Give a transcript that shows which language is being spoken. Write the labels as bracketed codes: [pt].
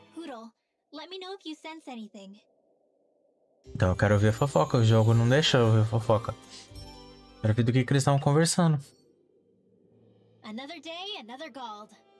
[en] Poodle, me know if you sense anything. [pt] Então, eu quero ouvir a fofoca. O jogo não deixa eu ouvir a fofoca. Quero ver do que eles estavam conversando. [en] Another day, another gold.